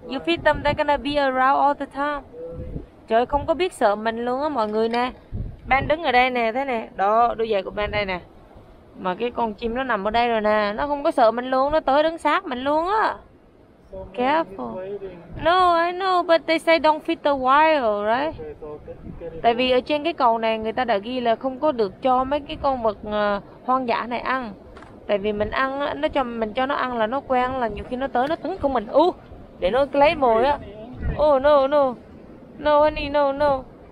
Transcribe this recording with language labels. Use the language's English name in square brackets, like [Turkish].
[English] You feed them, they're gonna be around all the time. [Vietnamese] Trời, không có biết sợ mình luôn á mọi người nè. Ben đứng ở đây nè, thế nè. Đó, đôi giày của Ben đây nè. Mà cái con chim nó nằm ở đây rồi nè. Nó không có sợ mình luôn, nó tới đứng sát mình luôn á. [English] Careful. No, I know, but they say don't feed the wild, right? Okay, so [Vietnamese] tại vì ở trên cái cầu này người ta đã ghi là không có được cho mấy cái con vật hoang dã này ăn. Tại vì mình ăn, nó cho mình cho nó ăn là nó quen, là nhiều khi nó tới nó tấn công mình. Để nó lấy mồi á. [English] Oh no no. No honey, no no.